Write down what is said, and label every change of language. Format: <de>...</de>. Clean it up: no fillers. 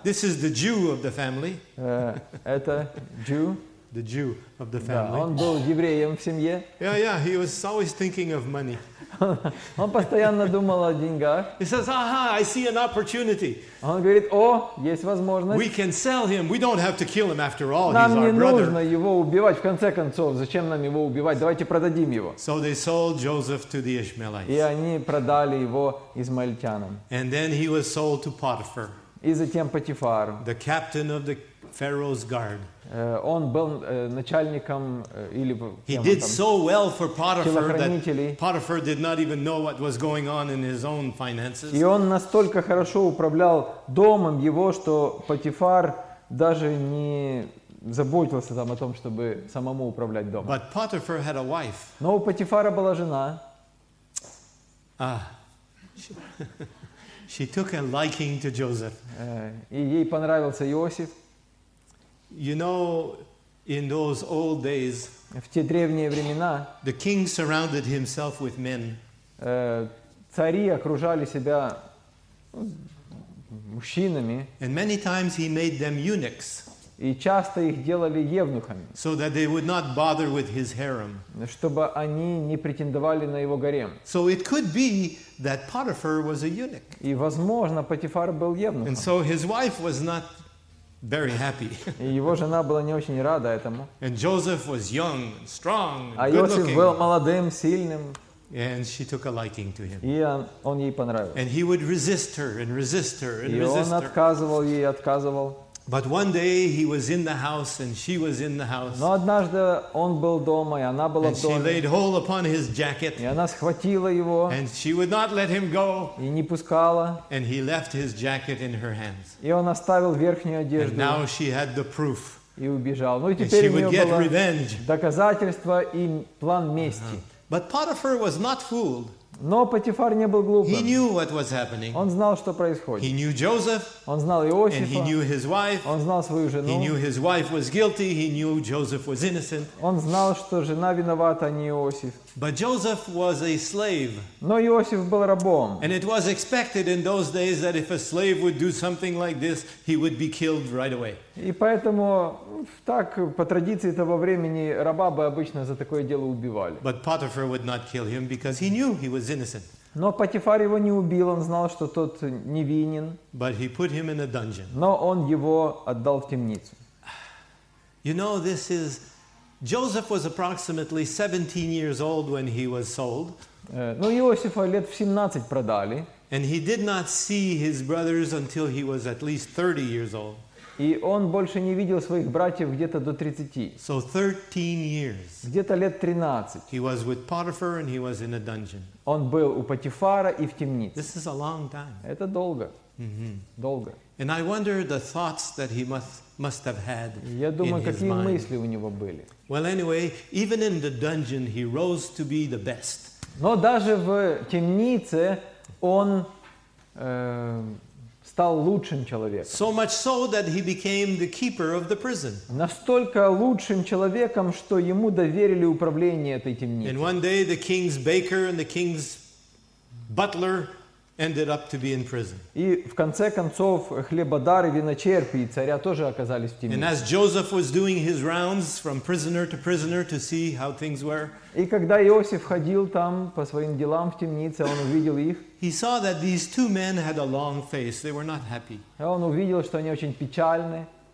<en>This is the Jew of the family.</en> <ru>Это Jew.</ru> <en>The Jew of the family.</en> <ru>Да, он был евреем в семье.</ru> <en>Yeah, he was always thinking of money.</en> <ru>Он постоянно думал о деньгах.</ru> <en>He says, "Aha, I see an opportunity."</en> <ru>Он говорит: "О, есть возможность."</ru> <en>We can sell him. We don't have to kill him after all.</en> <ru>Нам</ru> <en>He's</en> <ru>не</ru> <en>our brother.</en> <ru>Нужно его убивать. В конце концов, зачем нам его убивать? Давайте продадим его.</ru> <en>So they sold Joseph to the Ishmaelites.</en> <ru>И они продали его измаильтянам.</ru> <en>And then he was sold to Potiphar.</en> <ru>И затем Потифару.</ru> <en>The captain of the Pharaoh's guard.</en> <ru>Он был начальником или</ru> <en>He did so well for Potiphar that Potiphar did not even know what was going on in his own finances.</en> <ru>И он настолько хорошо управлял домом его, что Потифар даже не заботился там о том, чтобы самому управлять домом.</ru> <en>But Potiphar had a wife.</en> <ru>Но у Потифара была жена.</ru> <en>She took a liking to Joseph.</en> <ru>И ей понравился Иосиф.</ru> <en>You know, In those old days,</en> <ru>в те древние времена,</ru> <en>the king surrounded himself with men.</en> <ru>Цари окружали себя мужчинами.</ru> <en>And many times he made them eunuchs.</en> <ru>И часто их делали евнухами.</ru> <en>So that they would not bother with his harem.</en> <ru>Чтобы они не претендовали на его гарем.</ru> <en>So it could be that Potiphar was a eunuch.</en> <ru>И возможно, Потифар был евнухом.</ru> <en>And so his wife was not very happy.</en> <ru>И его жена была не очень рада этому.</ru> <en>And Joseph was young, strong, good looking.</en> <ru>А Иосиф был молодым, сильным.</ru> <en>And she took a liking to him.</en> <ru>И он ей понравился.</ru> <en>And he would resist her and resist her and</en> <ru>и</ru> <en>resist her.</en> <ru>И он отказывал ей, отказывал.</ru> <en>But one day he was in the house and she was in the house.</en> <ru>Но однажды он был дома, и она была в доме.</ru> <en>She laid hold upon his jacket.</en> <ru>И она схватила его.</ru> <en>And she would not let him go.</en> <ru>И не пускала.</ru> <en>And he left his jacket in her hands.</en> <ru>И он оставил верхнюю одежду.</ru> <en>And now she had the proof.</en> <ru>И убежал. Ну, и</ru> <en>теперь she would get revenge.</en> <ru>Доказательство и план мести.</ru> <en>But Potiphar was not fooled.</en> <ru>Но Потифар не был глупым.</ru> <en>He knew what was happening.</en> <ru>Он знал, что происходит.</ru> <en>He knew Joseph.</en> <ru>Он знал Иосифа.</ru> <en>And he knew his wife.</en> <ru>Он знал свою жену.</ru> <en>He knew his wife was guilty. He knew Joseph was innocent.</en> <ru>Он знал, что жена виновата, а не Иосиф.</ru> <en>But Joseph was a slave.</en> <ru>Но Иосиф был рабом.</ru> <en>And it was expected in those days that if a slave would do something like this, he would be killed right away.</en> <ru>И поэтому так по традиции того времени раба бы обычно за такое дело убивали.</ru> <en>But Potiphar would not kill him because he knew he was innocent.</en> <ru>Но Потифар его не убил, он знал, что тот невинен.</ru> <en>But he put him in a dungeon.</en> <ru>Но он его отдал в темницу.</ru> <en>You know, this is Joseph was approximately 17 years old when he was sold.</en> <ru>Ну, Иосифа лет в 17 продали.</ru> <en>And he did not see his brothers until he was at least 30 years old.</en> <ru>И он больше не видел своих братьев где-то до 30.</ru> <en>So 13 years.</en> <ru>Где-то лет 13.</ru> <en>He was with Potiphar and he was in a dungeon.</en> <ru>Он был у Потифара и в темнице.</ru> <en>This is a long time.</en> <ru>Это долго. Mm-hmm. Долго.</ru> <en>And I wonder the thoughts that he must have had.</en> <ru>Я думаю,</ru> <en>in his</en> <ru>какие</ru> <en>mind.</en> <ru>Мысли у него были.</ru> <en>Well, anyway, even in the dungeon, he rose to be the best.</en> <ru>Но даже в темнице он стал лучшим человеком.</ru> <en>So much so that he became the keeper of the prison.</en> <ru>Настолько лучшим человеком, что ему доверили управление этой темницей.</ru> <en>And one day, the king's baker and the king's butler ended up to be in prison.</en> <ru>И в конце концов хлебодар и виночерпий царя тоже оказались в темнице.</ru> <en>And as Joseph was doing his rounds from prisoner to see how things were.</en> <ru>И когда Иосиф ходил там по своим делам в темнице, он увидел их.</ru> <en>He saw that these two men had a long face. They were not happy.</en> <ru>Он увидел, что они очень печальны.</ru>